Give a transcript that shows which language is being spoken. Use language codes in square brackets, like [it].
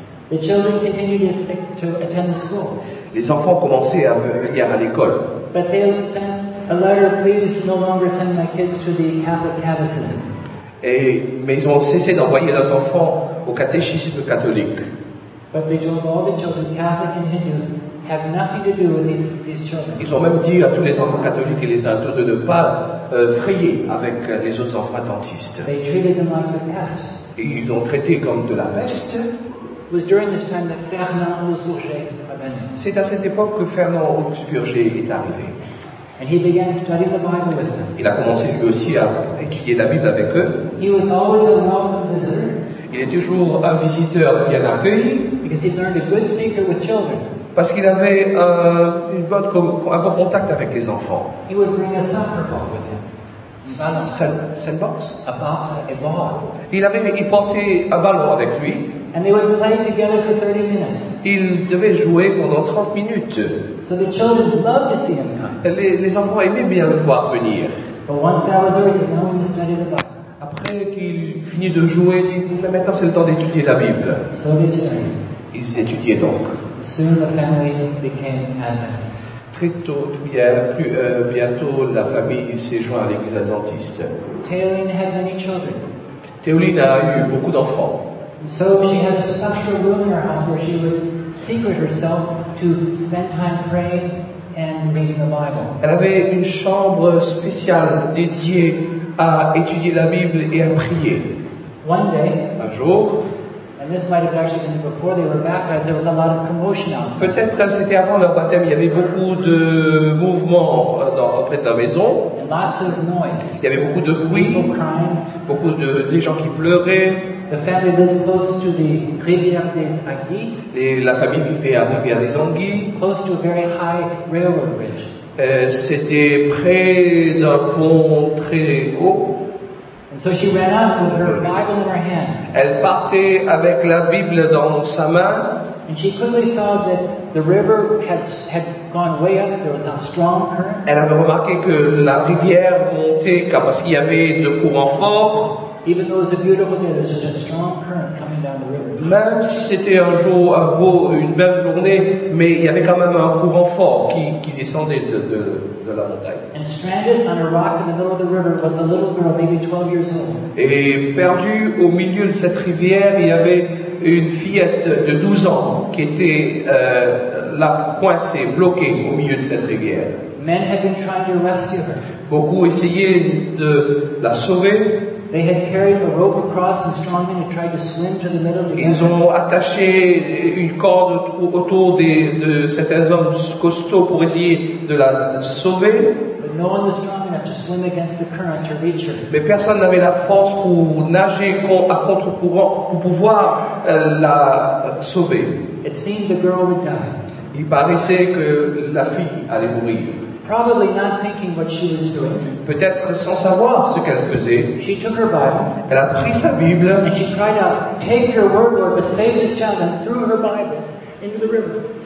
[en] The children continued to attend the school. [fr] Les enfants commençaient à venir à l'école. [en] But they sent a letter, please no longer send my kids to the Catholic catechism. [fr] Mais ils ont cessé d'envoyer leurs enfants au catéchisme catholique. [en] But they told all the children, Catholic and Hindu, have nothing to do with these children. [fr] Ils ont même dit à tous les enfants catholiques et les hindous de ne pas frayer avec les autres enfants dentistes. [en] They treated them like the pest. [fr] Et ils ont traité comme de la peste. [en] It was during this time that Fernand Le Bourget [fr] C'est à cette époque que Fernand Augsburger est arrivé. [en] And he began studying the Bible with them. [fr] Il a commencé lui aussi à étudier la Bible avec eux. [en] He was always a welcome visitor. [fr] Il est toujours un visiteur bien accueilli. [en] Because he learned a good secret with children. [fr] Parce qu'il avait un bon contact avec les enfants. [en] He would bring a soccer ball with him. [fr] Cette box. [en] A ball. [fr] Il portait un ballon avec lui. [en] And they would play together for 30 minutes. [fr] Ils devaient jouer pendant 30 minutes. [en] So the children loved to see him come. [fr] Les enfants aimaient bien le voir venir. [en] But once that was over, he said, "Now we're going to study the Bible." [fr] Après qu'il finit de jouer, il dit, mais maintenant c'est le temps d'étudier la Bible. [en] So they studied. [fr] Ils étudiaient donc. [en] Soon the family became Adventist. [fr] Très tôt, bientôt, la famille s'est joint à l'église adventiste. [en] Théoline had many children. [fr] Théoline a eu beaucoup d'enfants. [en] So she had a special room in her house where she would secret herself to spend time praying and reading the Bible. [fr] Elle avait une chambre spéciale dédiée à étudier la Bible et à prier. [en] One day, [fr] un jour, [en] and this might have actually been before they were baptized, there was a lot of commotion outside. [fr] Peut-être c'était avant leur baptême, il y avait beaucoup de mouvements auprès de la maison. [en] And lots of noise. [fr] Il y avait beaucoup de bruit. [en] People crying. [fr] Beaucoup de des gens qui pleuraient. [en] The family lives close to the rivière des Anguilles. [fr] Et la famille vivait à rivière des Anguilles. [en] Close to a very high railroad bridge. [fr] C'était près d'un pont très haut. [en] And so she ran out with her Bible in her hand. [fr] Elle partait avec la Bible dans sa main. [en] And she quickly saw that the river had gone way up. There was a strong current. [fr] Elle avait remarqué que la rivière montait parce qu'il y avait de courants forts. [en] Even though it was a beautiful day, there was a strong current coming down the river. [fr] Même si c'était un jour un beau, une belle journée, mais il y avait quand même un courant fort qui descendait de la montagne. [en] And stranded on a rock in the middle of the river was a little girl, maybe 12 years old. [fr] Et perdue au milieu de cette rivière, il y avait une fillette de 12 ans qui était là, coincée, bloquée au milieu de cette rivière. [en] Men had been trying to rescue her. [fr] Beaucoup essayaient de la sauver. [en] They had carried a rope across and strong men had tried to swim to the middle. [fr] Ils ont attaché une corde autour de certains hommes costauds pour essayer de la sauver. [en] But no one was strong enough to swim against the current to reach her. [fr] Mais personne n'avait la force pour nager à contre-courant pour pouvoir la sauver. [en] It seemed the girl would die. [fr] Il paraissait que la fille allait mourir. [en] Probably not thinking what she was doing. [fr] Peut-être sans savoir ce qu'elle faisait. [en] She took her Bible. [fr] Elle a pris sa Bible. [en] And she cried out, "Take your word, Lord, but save this child." And threw her Bible into the river.